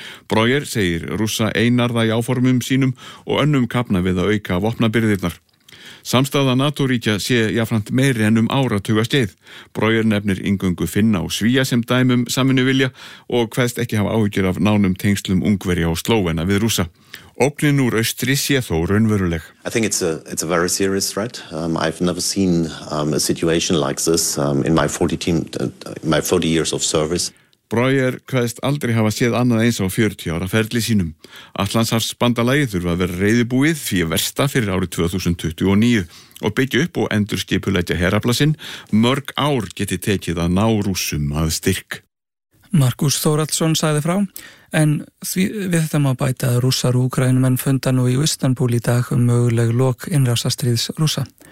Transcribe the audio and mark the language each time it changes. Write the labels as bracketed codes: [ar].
[is] Brauer segir rússa einarða í áformum sínum og önnum kapna við að auka vopnabirðirnar. Samstaða NATO-ríkja sé jafnframt meiri en áratuga skeið. Brauer nefnir inngöngu Finna og Svía sem dæmum samvinnuvilja og kveðst ekki hafa áhyggjur af nánum tengslum Ungverja og Slóvena við Rússa. Ógnin úr austri sé þó raunveruleg. [en] I think it's a very serious threat. I've never seen a situation like this in my 40 years of service. [is] Brauer kveðst aldrei hafa séð annað eins á 40 ára ferli sínum. Atlantshafsbandalagið þurfa að vera reiðubúið því versta fyrir árið 2029 og byggja upp og endurskipuleggja heraflasinn. Mörg ár geti tekið að ná rússum að styrk. Markus Þóraldsson sagði frá, en því, við þetta má bæta að rússar og úkraínumenn funda nú í Istanbul í dag möguleg lok innrásastríðs rússa.